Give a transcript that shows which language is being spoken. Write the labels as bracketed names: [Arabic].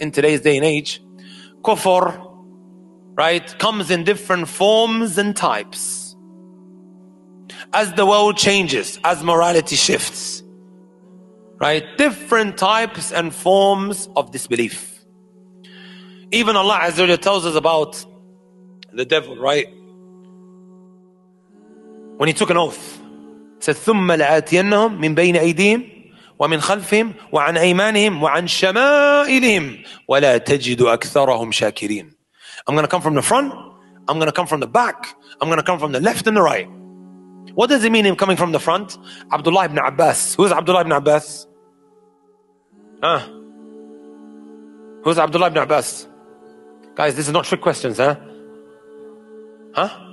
[English] In today's day and age, kufr, right, comes in different forms and types. As the world changes, as morality shifts, right? Different types and forms of disbelief. Even Allah Azza wa Jalla tells us about the devil, right? When he took an oath, he said, [Arabic] ثُمَّ لَآتِيَنَّهُمْ مِنْ بَيْنِ أَيْدِيهِمْ وَمِنْ خَلْفِهِمْ وَعَنْ أَيْمَانِهِمْ وَعَنْ شَمَائِلِهِمْ وَلَا تَجِدُ أَكْثَرَهُمْ شَاكِرِينَ [English] I'm going to come from the front. I'm going to come from the back. I'm going to come from the left and the right. What does it mean, him coming from the front? Abdullah ibn Abbas. Who is Abdullah ibn Abbas? Huh? Who's Abdullah ibn Abbas? Guys, this is not trick questions, huh? Huh?